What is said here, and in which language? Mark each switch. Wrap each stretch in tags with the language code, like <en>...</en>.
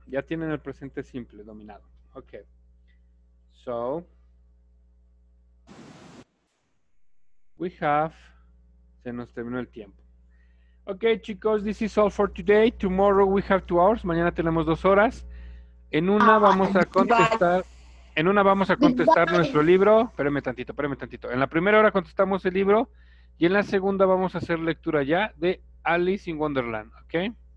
<es>Ya tienen el presente simple dominado.</es> <en>Okay, so we have,</en> <es>se nos terminó el tiempo.</es> <en>Okay, chicos, this is all for today. Tomorrow we have 2 hours.</en> <es>Mañana tenemos 2 horas. En una vamos a contestar. En una vamos a contestar nuestro libro. Espérenme tantito. En la primera hora contestamos el libro y en la segunda vamos a hacer lectura ya de Alice in Wonderland. Okay.</es>